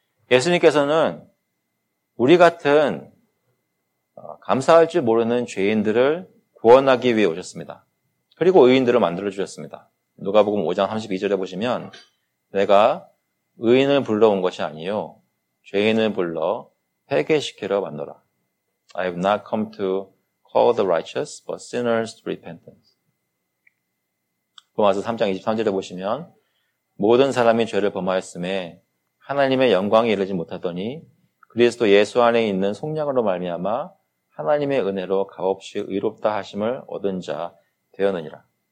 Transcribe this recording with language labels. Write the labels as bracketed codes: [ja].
[ko] 예수님께서는 우리 같은 감사할 줄 모르는 죄인들을 구원하기 위해 오셨습니다. 그리고 의인들을 만들어주셨습니다. 누가복음 5장 32절에 보시면 내가 의인을 불러온 것이 아니요 죄인을 불러 회개시키러 왔노라. [en] I have not come to call the righteous, but sinners to repentance. [ko] 로마서 3장 23절에 보시면 모든 사람이 죄를 범하였음에 하나님의 영광이 이르지 못하더니 그리스도 예수 안에 있는 속량으로 말미암아 하나님의 은혜로 값없이 의롭다 하심을 얻은 자 되었느니라.